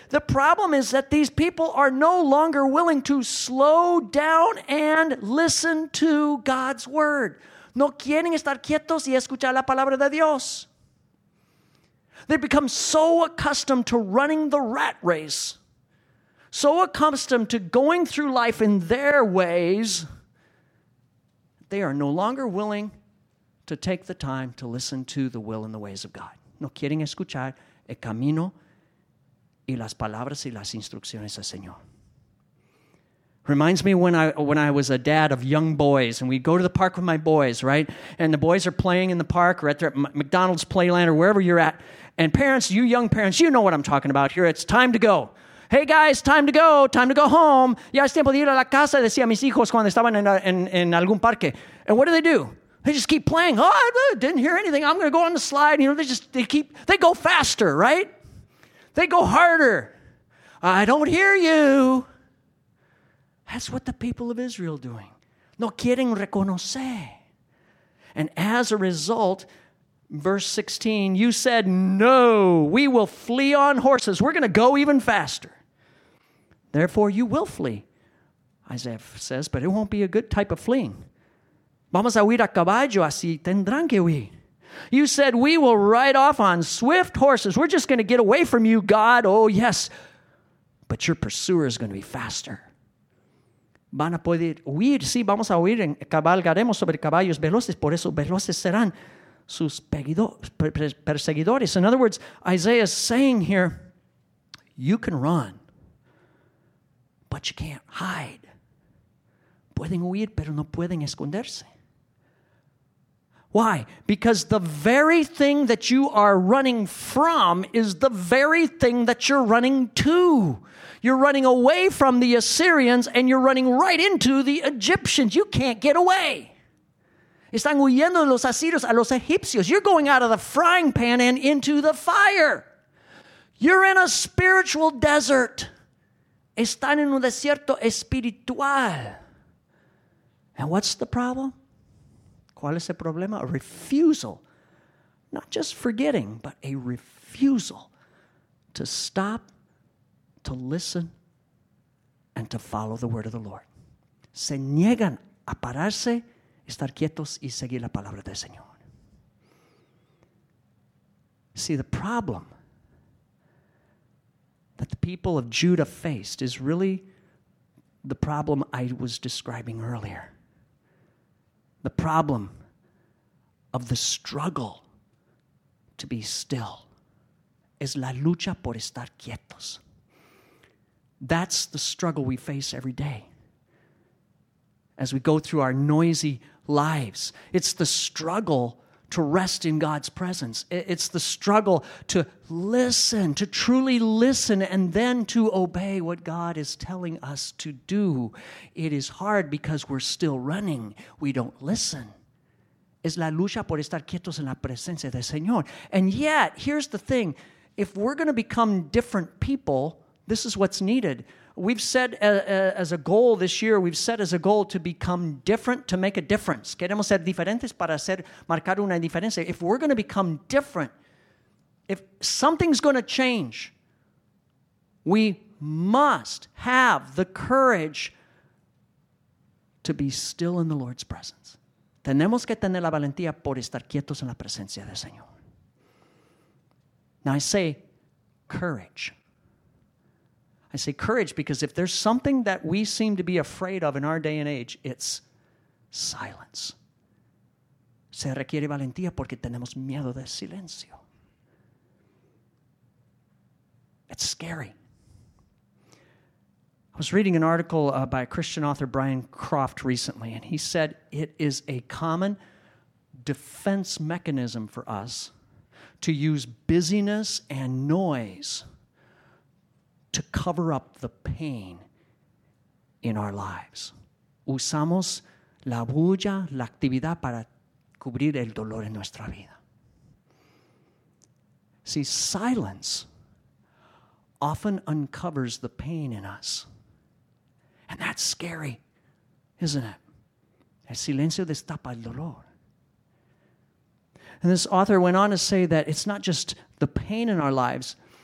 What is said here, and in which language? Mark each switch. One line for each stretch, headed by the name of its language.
English: The problem is that these people are no longer willing to slow down and listen to God's word.
Spanish: No quieren estar quietos y escuchar la palabra de Dios.
English: They become so accustomed to running the rat race. So accustomed to going through life in their ways, they are no longer willing to take the time to listen to the will and the ways of God.
Spanish: No quieren escuchar el camino y las palabras y las instrucciones del Señor.
English: Reminds me when I was a dad of young boys, and we'd go to the park with my boys, right? And the boys are playing in the park or at their McDonald's Playland or wherever you're at. And parents, you young parents, you know what I'm talking about here. It's time to go. Hey, guys, time to go. Time to go home.
Spanish: Ya es tiempo de ir a la casa, decía mis hijos cuando estaban en algún parque.
English: And what do? They just keep playing. Oh, I didn't hear anything. I'm going to go on the slide. You know, they go faster, right? They go harder. I don't hear you. That's what the people of Israel are doing.
Spanish: No quieren reconocer.
English: And as a result, verse 16, you said, no, we will flee on horses. We're going to go even faster. Therefore, you will flee, Isaiah says, but it won't be a good type of fleeing.
Spanish: Vamos a huir a caballo, así tendrán que huir.
English: You said, we will ride off on swift horses. We're just going to get away from you, God. Oh, yes, but your pursuer is going to be faster.
Spanish: Van a poder huir, sí, vamos a huir, cabalgaremos sobre caballos veloces, por eso veloces serán sus perseguidores.
English: In other words, Isaiah is saying here, you can run. But you can't hide.
Spanish: Pueden huir, pero no pueden esconderse.
English: Why? Because the very thing that you are running from is the very thing that you're running to. You're running away from the Assyrians and you're running right into the Egyptians. You can't get away.
Spanish: Están huyendo de los asirios a los egipcios.
English: You're going out of the frying pan and into the fire. You're in a spiritual desert.
Spanish: Están en un desierto espiritual.
English: And what's the problem?
Spanish: ¿Cuál es el problema?
English: A refusal. Not just forgetting, but a refusal to stop, to listen, and to follow the word of the Lord.
Spanish: Se niegan a pararse, estar quietos y seguir la palabra del Señor.
English: See, the problem that the people of Judah faced is really the problem I was describing earlier. The problem of the struggle to be still is
Spanish: la lucha por estar quietos.
English: That's the struggle we face every day as we go through our noisy lives. It's the struggle to rest in God's presence. It's the struggle to listen, to truly listen, and then to obey what God is telling us to do. It is hard because we're still running. We don't listen.
Spanish: Es la lucha por estar quietos en la presencia del Señor.
English: And yet, here's the thing. If we're going to become different people, this is what's needed. We've set as a goal this year, we've set as a goal to become different, to make a difference.
Spanish: Queremos ser diferentes para hacer marcar una diferencia.
English: If we're going to become different, if something's going to change, we must have the courage to be still in the Lord's presence.
Spanish: Tenemos que tener la valentía por estar quietos en la presencia del Señor.
English: Now I say courage. I say courage because if there's something that we seem to be afraid of in our day and age, it's silence.
Spanish: Se requiere valentía porque tenemos miedo del silencio.
English: It's scary. I was reading an article by a Christian author, Brian Croft, recently, and he said it is a common defense mechanism for us to use busyness and noise to cover up the pain in our lives.
Spanish: Usamos la bulla, la actividad para cubrir el dolor en nuestra vida.
English: See, silence often uncovers the pain in us. And that's scary, isn't it?
Spanish: El silencio destapa el dolor.
English: And this author went on to say that it's not just the pain in our lives.